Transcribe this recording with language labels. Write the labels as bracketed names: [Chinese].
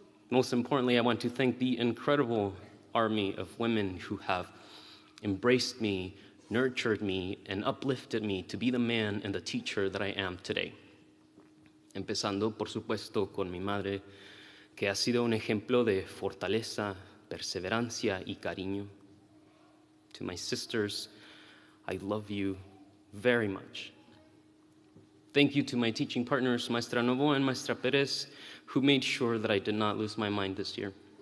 [English] Most importantly, I want to thank the incredible army of women who have embraced me, nurtured me, and uplifted me to be the man and the teacher that I am today. [Spanish] Empezando, por supuesto, con mi madre, que ha sido un ejemplo de fortaleza, perseverancia y cariño. [English] To my sisters, I love you very much. Thank you to my teaching partners, Maestra Novo and Maestra Perez, who made sure that I did not lose my mind this year.